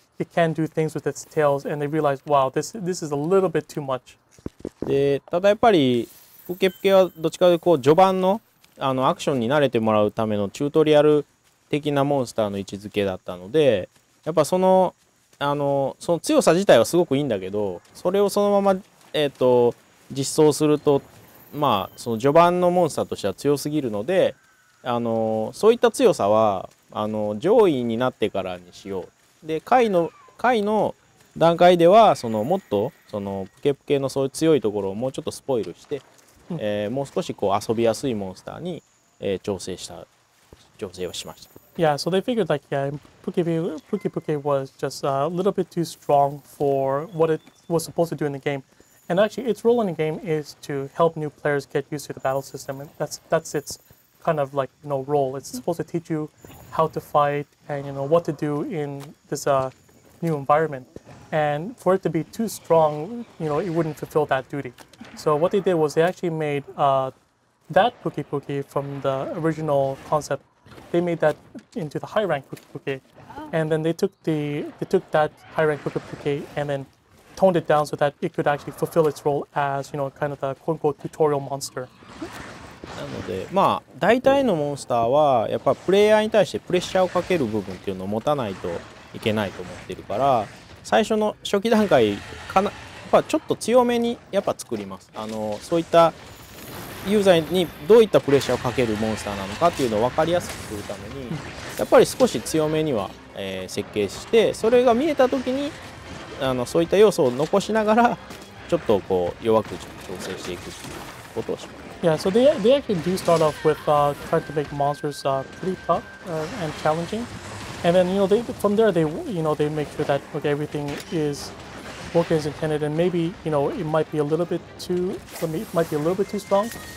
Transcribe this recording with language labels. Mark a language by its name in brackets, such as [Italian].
[English] It can do things with its tails, and they realized, wow, this is a little bit too much. [Japanese] で、ただやっぱり、Puke Puke はどっちかというとこう序盤の、あのアクションに慣れてもらうためのチュートリアル的なモンスターの位置づけだったので、やっぱその、 その強さ自体はすごくいいんだけど、それをそのまま、実装すると、まあその序盤のモンスターとしては強すぎるので、そういった強さは上位になってからにしよう、で下位の段階ではそのもっとそのプケプケのそういう強いところをもうちょっとスポイルして、もう少しこう遊びやすいモンスターに、調整した。 [English] Yeah, so they figured like, yeah, Puke Puke was just a little bit too strong for what it was supposed to do in the game. And actually, its role in the game is to help new players get used to the battle system. And that's its kind of like, you know, role. It's supposed to teach you how to fight and, you know, what to do in this new environment. And for it to be too strong, you know, it wouldn't fulfill that duty. So what they did was they actually made that Puke Puke from the original concept. They made that into the high rank Puke Puke, and then they took that high rank Puke Puke and then toned it down so that it could actually fulfill its role as, you know, kind of the quote unquote tutorial monster. [Japanese] なのでまあ大体のモンスターはやっぱプレイヤーに対してプレッシャーをかける部分っていうのを持たないといけないと思ってるから、最初の初期段階かなやっぱちょっと強めにやっぱ作ります。そういったユーザーにどういったプレッシャーをかけるモンスターなのかっていうのを分かりやすくするために、やっぱり少し強めには、設計して、それが見えた時にそういった要素を残しながらちょっとこう弱く調整していくっていうことをします。 [English] Yeah, so they actually do start off with trying to make monsters pretty tough and challenging, and then, you know, from there they, you know, they make sure that, okay, everything isWork as intended, and maybe, you know, it might be a little bit too strong.